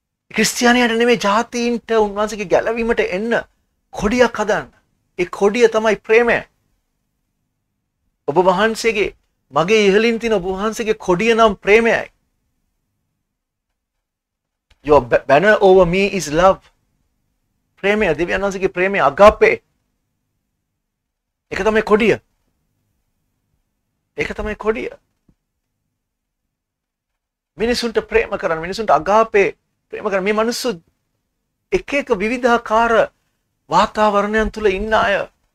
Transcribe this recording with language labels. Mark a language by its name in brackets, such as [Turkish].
[Sinhala] ක්‍රිස්තියානියන්ට නෙමෙයි ජාතීන්ට උන්වහන්සේගේ ගැලවීමට එන්න කොඩියක් හදන්න. ඒ කොඩිය තමයි ප්‍රේමය. ඔබ වහන්සේගේ මගේ ඉහලින් තියෙන ඔබ වහන්සේගේ කොඩිය නම් ප්‍රේමයයි. [English] Your banner over me is love. [Sinhala] ප්‍රේමය, දෙවියන් වහන්සේගේ ප්‍රේමය, අගාපේ. ඒක තමයි කොඩිය. ඒක තමයි කොඩිය. මිනිසුන්ට ප්‍රේම කරන්න, මිනිසුන්ට අගාපේ ප්‍රේම කරන්න. මේ මිනිස්සු එක එක විවිධාකාර වාතාවරණයන් තුළ ඉන්න අය.